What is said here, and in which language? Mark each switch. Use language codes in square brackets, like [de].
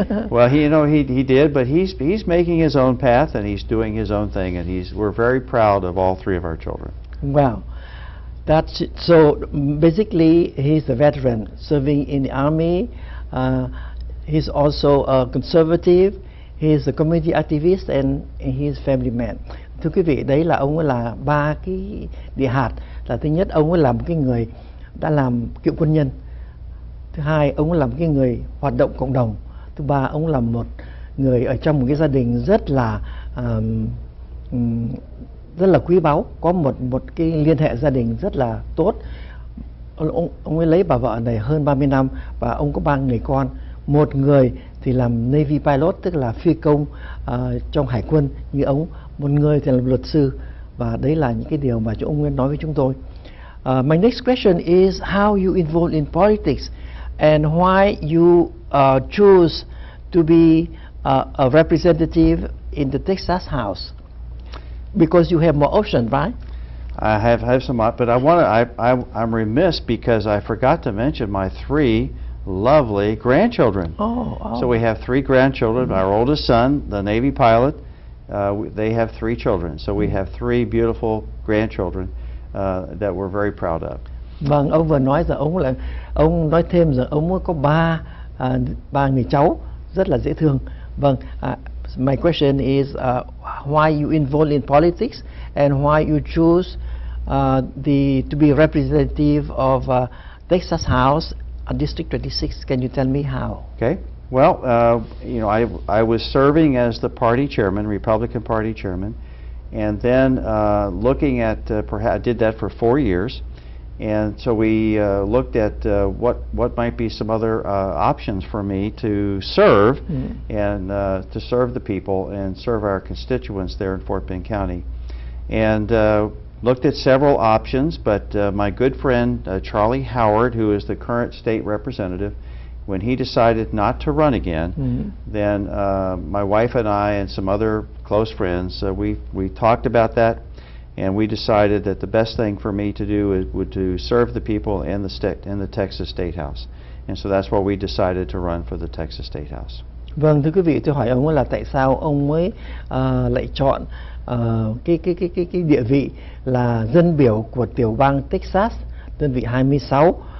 [en] Well, he did, but he's making his own path and he's doing his own thing, and we're very proud of all three of our children. Wow, that's it. So basically he's a veteran serving in the Army. He's also a conservative. He's a community activist and he's a family man. [vi] Thưa quý vị, đấy là ông ấy là ba cái địa hạt. Là thứ nhất, ông ấy là một cái người đã làm cựu quân nhân. Thứ hai, ông ấy là một cái người hoạt động cộng đồng. Thứ ba, ông là một người ở trong một cái gia đình rất là quý báu, có một cái liên hệ gia đình rất là tốt. Ông ấy lấy bà vợ này hơn 30 năm và ông có ba người con. Một người thì làm Navy pilot, tức là phi công trong hải quân như ông. Một người thì là luật sư, và đấy là những cái điều mà ông Nguyên nói với chúng tôi. [en] My next question is how you involved in politics and why you choose to be a representative in the Texas House, because you have more options, right? I have some, but I'm remiss because I forgot to mention my three lovely grandchildren. So we have three grandchildren. Mm-hmm. Our oldest son, the Navy pilot. They have three children, so we have three beautiful grandchildren that we're very proud of. [vi] Vâng, ông vừa nói rằng ông nói thêm rằng ông có ba người cháu rất là dễ thương. [en] Vâng, my question is why you involved in politics and why you choose to be representative of Texas House at District 26. Can you tell me how? Okay. Well, I was serving as the party chairman, Republican Party chairman, and then looking at perhaps did that for 4 years, and so we looked at what might be some other options for me to serve and to serve the people and serve our constituents there in Fort Bend County, and looked at several options, but my good friend Charlie Howard, who is the current state representative. When he decided not to run again, then my wife and I and some other close friends, we talked about that, And we decided that the best thing for me to do is, would to serve the people in the state, in the Texas State House. And so that's why we decided to run for the Texas State House. Vâng, thưa quý vị, tôi hỏi ông là tại sao ông mới lại chọn cái địa vị là dân biểu của tiểu bang Texas, đơn vị 26.